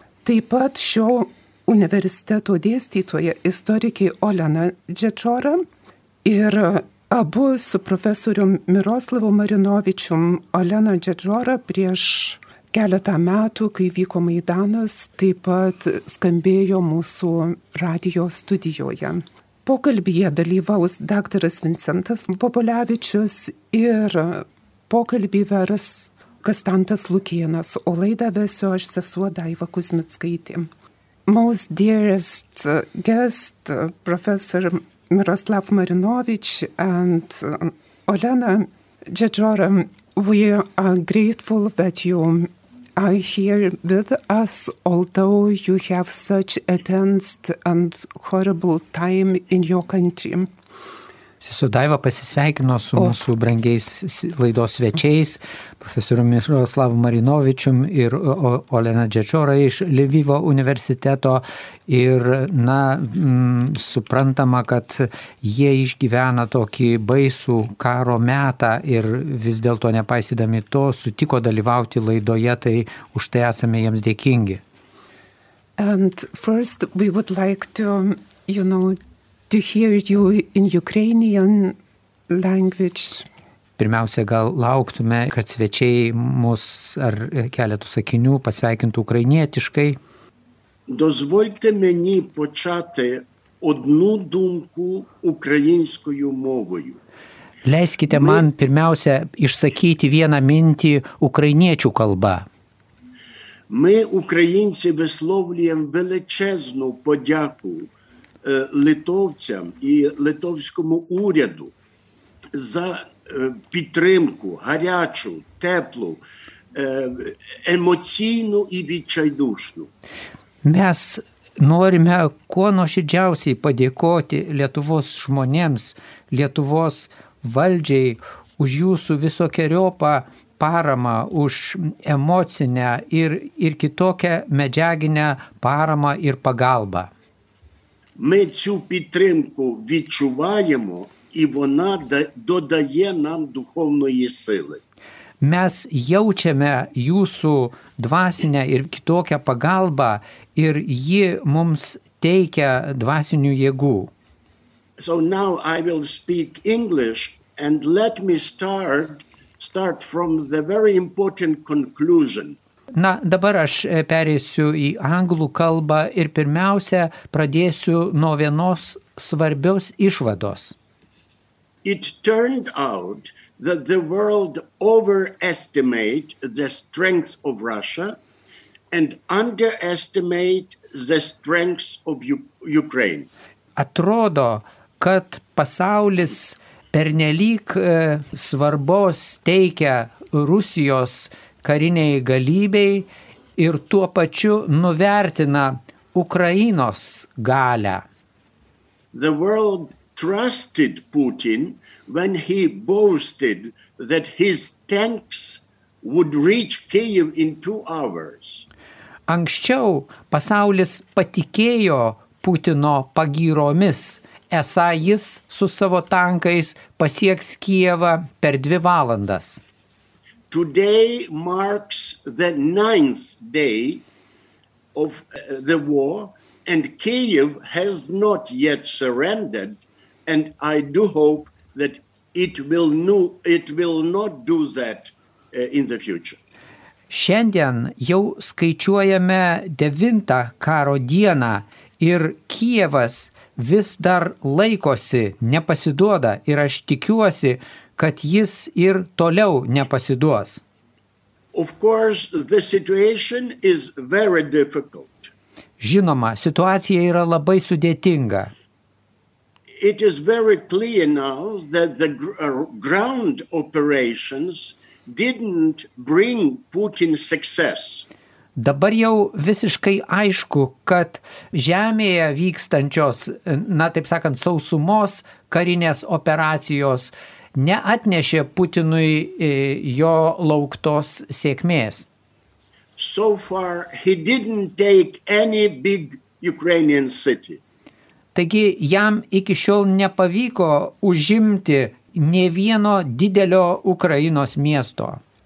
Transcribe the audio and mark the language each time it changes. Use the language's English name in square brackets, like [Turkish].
[Lithuanian] Taip pat šio universiteto dėstytoja istorikė Olena Džečora ir abu su profesoriumi Miroslavu Marinovičium Olena Džečora prieš keletą metų, kai vyko Maidanas, taip pat skambėjo mūsų radijo studijoje. Pokalbyje dalyvaus daktaras Vincentas Bobolevičius ir pokalbį vers Kastantas Lukienas, o laidą vesiu aš sesuo Daiva Kuznickaitė. [English] Most dearest guest, Professor Miroslav Marinovič and Olena Džedžora, we are grateful that you are here with us, although you have such a tense and horrible time in your country. [Lithuanian] Sesuo Daiva pasisveikino su mūsų brangiais laidos svečiais, profesoriumi Miroslavu Marinovičium ir Olena Džečora iš Lvivo universiteto. Ir, na, suprantama, kad jie išgyvena tokį baisų karo metą ir vis dėlto nepaisydami to sutiko dalyvauti laidoje, tai už tai esame jiems dėkingi. [English] And first we would like to, you know, to hear you in Ukrainian language. [Lithuanian] Pirmiausia, gal lauktume, kad svečiai mus ar keletų sakinių pasveikintų ukrainietiškai. [Ukrainian] Дозвольте мені почати одну думку українською мовою. [Lithuanian] Leiskite man pirmiausia išsakyti vieną mintį ukrainiečių kalba. [Ukrainian] Ми українці висловлюємо величезну подяку литовцям і литовському уряду за підтримку гарячу, теплу, емоційну і відчайдушну. [Lithuanian] Mes [Ukrainian] норіме ко нощаджавсі подякувати [Lithuanian] Lietuvos žmonėms, Lietuvos valdžiai už jūsų visokeriopą paramą, už emocinę ir kitokią medžiaginę paramą ir pagalbą. [Ukrainian] Ми цю підтримку відчуваємо, і вона додає нам духовної сили. [Lithuanian] Mes jaučiame jūsų dvasinę ir kitokią pagalbą, ir ji mums teikia dvasinių jėgų. [English] So now I will speak English, and let me start from the very important conclusion. [Lithuanian] Na, dabar aš pereisiu į anglų kalbą ir pirmiausia pradėsiu nuo vienos svarbios išvados. [English] It turned out that the world overestimate the strength of Russia and underestimate the strength of Ukraine. [Lithuanian] Atrodo, kad pasaulis pernelyg svarbos teikia Rusijos kariniai galybei ir tuo pačiu nuvertina Ukrainos galę. [English] The world trusted Putin when he boasted that his tanks would reach Kyiv in 2 hours. [Lithuanian] Anksčiau pasaulis patikėjo Putino pagyromis, esą jis su savo tankais pasieks Kyjevą per 2 valandas. [English] Today marks the 9th day of the war, and Kyiv has not yet surrendered, and I do hope that it will not do that in the future. [Lithuanian] Šiandien jau skaičiuojame 9 karo dieną ir Kyjevas vis dar laikosi, nepasiduoda, ir aš tikiuosi, kad jis ir toliau nepasiduos. [English] Of course, the situation is very difficult. [Lithuanian] Žinoma, situacija yra labai sudėtinga. [English] It is very clear now that the ground operations didn't bring Putin success. [Lithuanian] Dabar jau visiškai aišku, kad žemėje vykstančios, na taip sakant, sausumos karinės operacijos neatnešė Putinui jo lauktos sėkmės. [English] So far he didn't take any big Ukrainian city. [Lithuanian] Taigi jam iki šiol nepavyko užimti ne vieno didelio Ukrainos miesto.